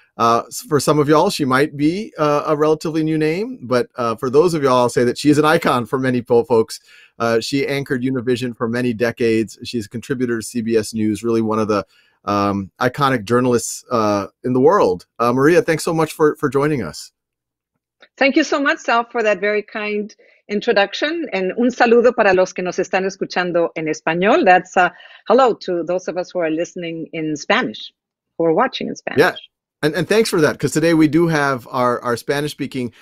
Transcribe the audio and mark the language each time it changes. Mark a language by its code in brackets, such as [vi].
[en] For some of y'all, she might be a relatively new name, but for those of y'all, I'll say that she is an icon for many folks. She anchored Univision for many decades. She's a contributor to CBS News, really one of the iconic journalists in the world. María, thanks so much for joining us. Thank you so much, Sal, for that very kind introduction, and [es] un saludo para los que nos están escuchando en español. [en] That's hello to those of us who are listening in Spanish, who are watching in Spanish. Yeah, and thanks for that, because today we do have our Spanish speaking.